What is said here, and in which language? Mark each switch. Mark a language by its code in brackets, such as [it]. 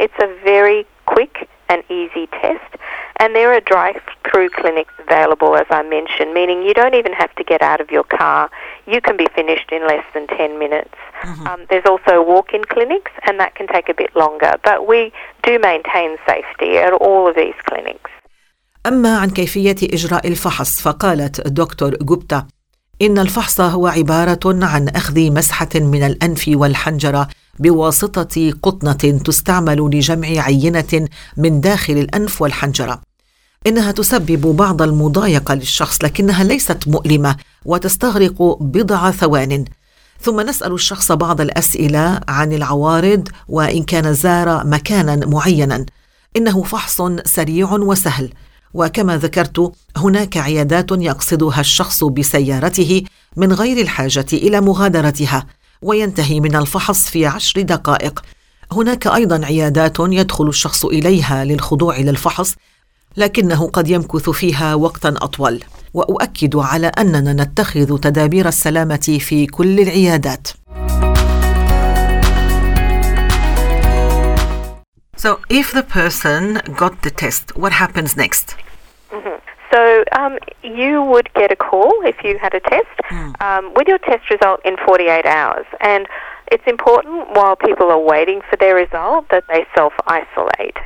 [en] It's a very quick and easy test. And there are drive-through clinics available, as I mentioned, meaning you don't even have to get out of your car. You can be finished in less than 10 minutes. Mm-hmm. There's also walk-in clinics, and that can take a bit longer. But we do maintain safety at all of these clinics. [ar] أما عن كيفية إجراء الفحص، فقالت دكتور جوبتا: إن الفحص هو عبارة عن أخذ مسحة من الأنف والحنجرة بواسطة قطنة تستعمل لجمع عينة من داخل الأنف والحنجرة. إنها تسبب بعض المضايقة للشخص، لكنها ليست مؤلمة وتستغرق بضع ثوان. ثم نسأل الشخص بعض الأسئلة عن العوارض وإن كان زار مكانا معينا. إنه فحص سريع وسهل، وكما ذكرت هناك عيادات يقصدها الشخص بسيارته من غير الحاجة إلى مغادرتها، وينتهي من الفحص في 10 دقائق. هناك أيضا عيادات يدخل الشخص إليها للخضوع للفحص، لكنه قد يمكث فيها وقتا أطول. وأؤكد على أننا نتخذ تدابير السلامة في كل العيادات. [en] So if the person got the test, what happens next? So you would get a call if you had a test with your test result in 48 hours. And it's important while people are waiting for their result that they self-isolate.